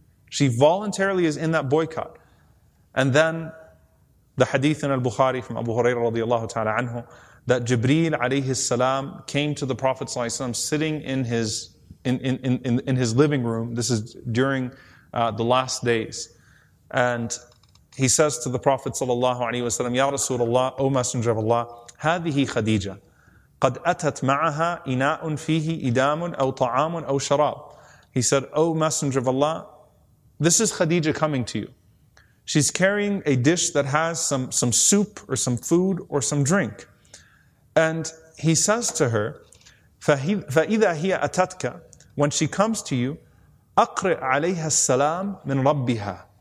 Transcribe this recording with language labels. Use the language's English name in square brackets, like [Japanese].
[English] She voluntarily is in that boycott. And then the hadith in al-Bukhari from Abu Hurairah radiallahu ta'ala anhu, that Jibreel alayhi salam came to the Prophet sallallahu alayhi wa sallam sitting in his living room. This is during the last days. And he says to the Prophet sallallahu alayhi wa sallam, Ya Rasulullah, O Messenger of Allah, [Arabic] هذه خديجة قد أتت معها إناء فيه إدام أو طعام أو شراب. [English] He said, O Messenger of Allah, this is Khadija coming to you. She's carrying a dish that has some soup or some food or some drink. And he says to her, [Arabic] فَإِذَا هِيَ أَتَتْكَ, [English] when she comes to you, [Arabic] أَقْرِئْ عَلَيْهَا السَّلَامُ مِنْ رَبِّهَا.